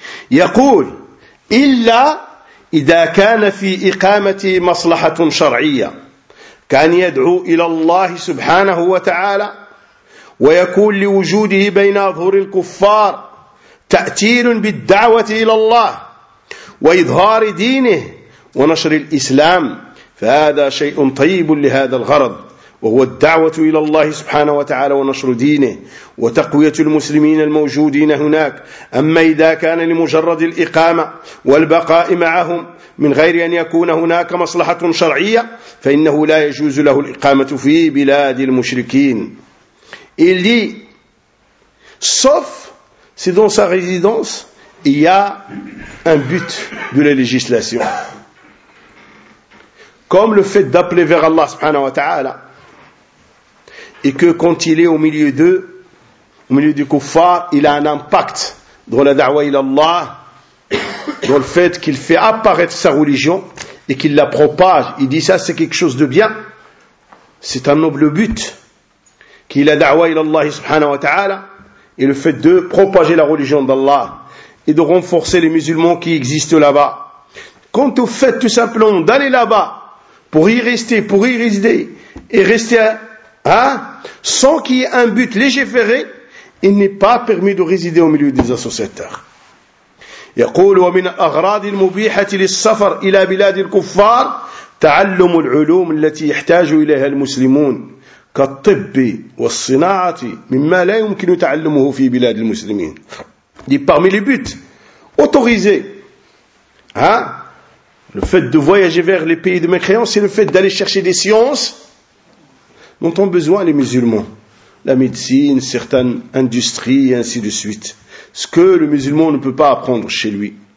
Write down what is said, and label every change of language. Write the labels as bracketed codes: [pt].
[ar] Yaqul, illa idha kana fi iqamati maslahatun shar'iyya, kan yad'u ila Allah subhanahu wa ta'ala, wa yakul li wujudihi bayna adhuril kuffar, تأثير بالدعوة إلى الله وإظهار دينه ونشر الإسلام فهذا شيء طيب لهذا الغرض وهو الدعوة إلى الله سبحانه وتعالى ونشر دينه وتقوية المسلمين الموجودين هناك. أما إذا كان لمجرد الإقامة والبقاء معهم من غير أن يكون هناك مصلحة شرعية فإنه لا يجوز له الإقامة في بلاد المشركين. اللي صف [fr] c'est dans sa résidence, il y a un but de la législation. Comme le fait d'appeler vers Allah subhanahu wa ta'ala, et que quand il est au milieu d'eux, au milieu du kuffar, il a un impact dans la da'wa ila Allah, dans le fait qu'il fait apparaître sa religion, et qu'il la propage. Il dit ça, c'est quelque chose de bien, c'est un noble but qui est la da'wa ila Allah subhanahu wa ta'ala et le fait de propager la religion d'Allah et de renforcer les musulmans qui existent là-bas. Quant au fait tout simplement d'aller là-bas pour y rester, pour y résider et rester sans qu'il y ait un but légiféré, il n'est pas permis de résider au milieu des associateurs. [ar] يقول ومن أغراض المبيحة للسفر إلى بلاد الكفار تعلم العلوم التي يحتاج إليها المسلمون كالطب والصناعة مما لا يمكن تعلمه في بلاد المسلمين. [fr] Parmi les buts autorisés, le fait de voyager vers les pays de mécréants, c'est le fait d'aller chercher des sciences dont ont besoin les musulmans, la médecine, certaines industries et ainsi de suite. Ce que le musulman ne peut pas apprendre chez lui.